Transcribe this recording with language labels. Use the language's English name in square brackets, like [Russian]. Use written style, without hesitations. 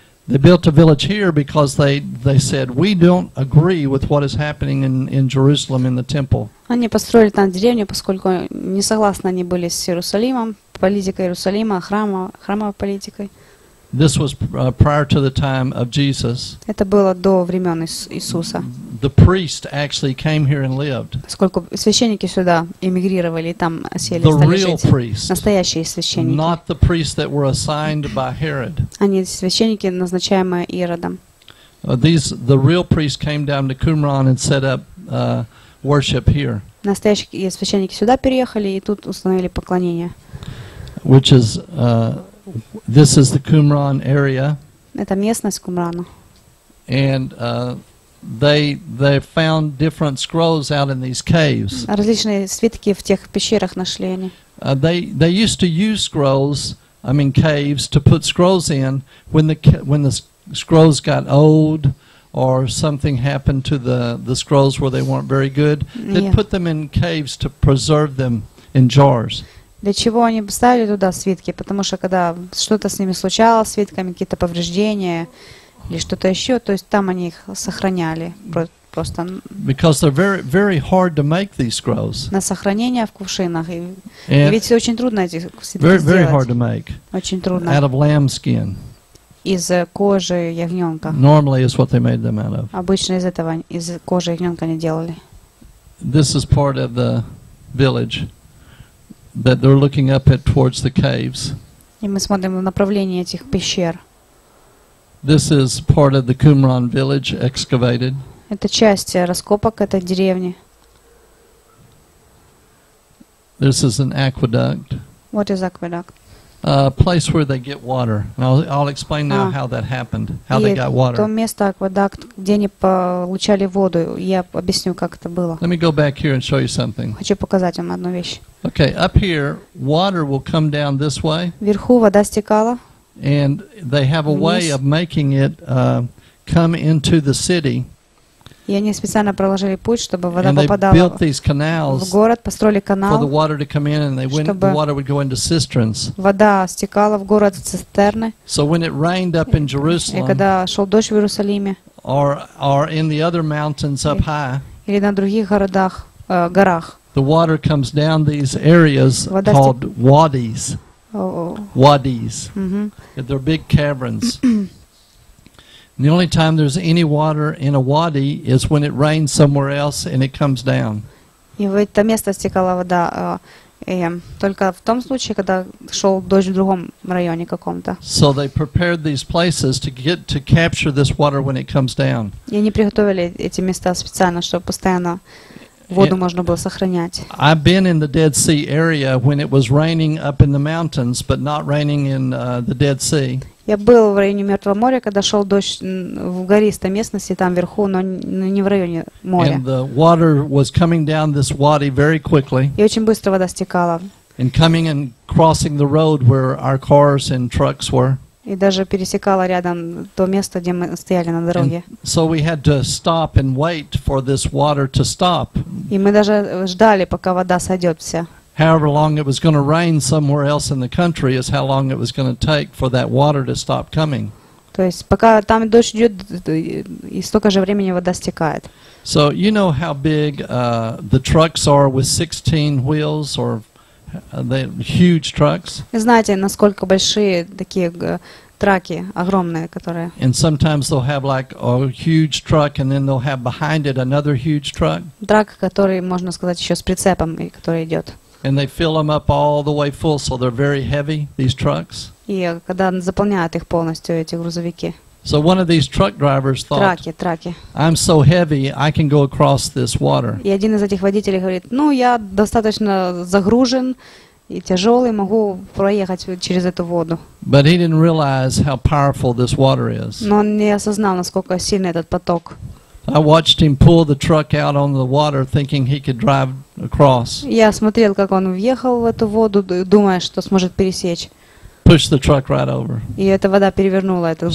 [English] They built a village here because they said we don't agree with what is happening in Jerusalem in the temple. [Russian] Они построили там деревню, поскольку не согласны они были с Иерусалимом, политикой Иерусалима, храмовой политикой. [English] This was prior to the time of Jesus. [Russian] Это было до времен Иисуса. [English] The priest actually came here and lived. [Russian] Сколько священники сюда эмигрировали и там осели, [English] the real priest, [Russian] настоящие священники. [English] Not the priests that were assigned by Herod. [Russian] Они священники, назначаемые Иродом. [English] The real priest came down to Qumran and set up worship here. [Russian] Настоящие священники сюда переехали и тут установили поклонение. [English] Which is this is the Qumran area. [Russian] Это местность Кумрана. [English] And they found different scrolls out in these caves. [Russian] Различные свитки в тех пещерах нашли они. [English] They used to use scrolls, I mean caves, to put scrolls in when the scrolls got old or something happened to the scrolls where they weren't very good. They'd put them in caves to preserve them in jars. [Russian] Для чего они ставили туда свитки? Потому что когда что-то с ними случалось, свитками, какие-то повреждения или что-то еще, то есть там они их сохраняли просто. [English] Because they're very, very hard to make these scrolls. [Russian] На сохранение в кувшинах. And ведь очень трудно эти свитки [English] very, [Russian] сделать. [English] Very hard to make. [Russian] Очень трудно. [English] Out of lamb skin. [Russian] Из кожи ягненка. [English] Normally is what they made them out of. [Russian] Обычно из этого, из кожи ягненка они делали. [English] This is part of the village that they're looking up at towards the caves. [Russian] И мы смотрим в направлении этих пещер. [English] This is part of the Qumran village excavated. [Russian] Это часть раскопок этой деревни. [English] This is an aqueduct. What is aqueduct? A place where they get water. Now I'll explain now how that happened, how they got water. [Russian] То место аквадукт, где они получали воду. Я объясню, как это было. [English] Let me go back here and show you something. [Russian] Хочу показать вам одну вещь. [English] Okay, up here, water will come down this way. [Russian] Вверху вода стекала. [English] And they have a way of making it come into the city. [Russian] И они специально проложили путь, чтобы вода попадала в город, построили канал, чтобы вода стекала в город в цистерны. [English] So when it rained up in Jerusalem, [Russian] и когда шел дождь в Иерусалиме, [English] or in the other mountains up high, [Russian] или на других городах, горах, [English] the water comes down these areas called wadis. Wadis. Mm-hmm. They're big caverns. The only time there's any water in a wadi is when it rains somewhere else and it comes down. [Russian] И в это место стекала вода только в том случае, когда шел дождь в другом районе каком-то. [English] So they prepared these places to get to capture this water when it comes down. [Russian] И они приготовили эти места специально, чтобы постоянно воду можно было сохранять. [English] I've been in the Dead Sea area when it was raining up in the mountains, but not raining in the Dead Sea. [Russian] Я был в районе Мертвого моря, когда шел дождь в гористой местности, там вверху, но не в районе моря. [English] And the water was coming down this wadi very quickly. [Russian] И очень быстро вода стекала. [English] And coming and crossing the road where our cars and trucks were. [Russian] И даже пересекала рядом то место, где мы стояли на дороге. [English] So we had to stop and wait for this water to stop. [Russian] И мы даже ждали, пока вода сойдет вся. [English] However long it was going to rain somewhere else in the country is how long it was going to take for that water to stop coming. [Russian] То есть пока там дождь идет, и столько же времени вода стекает. [English] So you know how big the trucks are with 16 wheels or the huge trucks? [Russian] Знаете, насколько большие такие траки огромные, которые. [English] And sometimes they'll have like a huge truck, and then they'll have behind it another huge truck. [Russian] Трак, который можно сказать еще с прицепом, и который идет. [English] And they fill them up all the way full, so they're very heavy, these trucks. [Russian] И когда заполняют их полностью эти грузовики. [English] So one of these truck drivers thought, [Russian] траки. [English] I'm so heavy, I can go across this water. [Russian] И один из этих водителей говорит, ну я достаточно загружен и тяжелый, могу проехать через эту воду. [English] But he didn't realize how powerful this water is. [Russian] Но он не осознал, насколько сильный этот поток. [English] I watched him pull the truck out on the water, thinking he could drive across. [Russian] Я смотрел, как он въехал в эту воду, думая, что сможет пересечь. [English] pushed the truck right over. [Russian] И эта вода перевернула этот